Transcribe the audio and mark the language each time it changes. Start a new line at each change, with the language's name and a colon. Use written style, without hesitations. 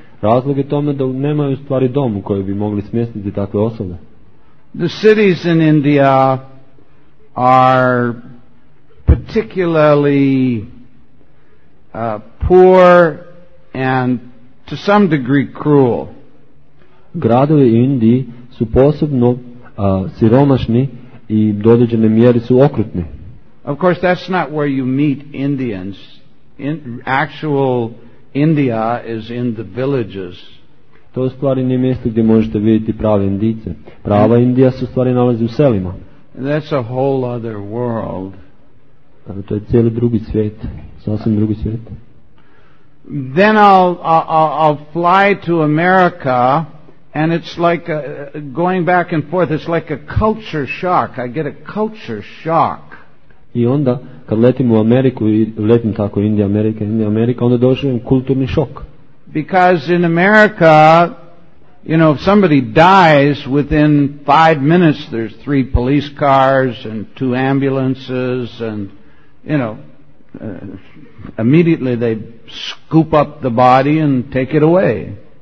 Croatian: Razlog je tome da nemaju stvari dom u kojoj bi mogli smjestiti takve osobe.
English: The cities in India are particularly poor and to some degree cruel.
Croatian: Gradovi u Indiji su posebno siromašni i do određene mjeri su okrutni.
English: Of course, that's not where you meet Indians. Actual India is in the villages.
Croatian: To u stvari nije mjesto gdje možete vidjeti prave Indice. Prava Indija se u stvari nalazi u selima.
English: That's a whole other world.
Croatian: To je cijeli drugi svijet, sasvim drugi svijet.
English: Then I'll fly to America. And it's like going back and forth, it's like a culture shock. I get a culture shock.
Croatian: I onda kad letim u Ameriku i letim tako Indija Amerika, onda doživim kulturni šok.
English: Because in America, you know, if somebody dies within 5 minutes, there's 3 police cars and 2 ambulances and, you know, immediately they scoop up the body and take it away.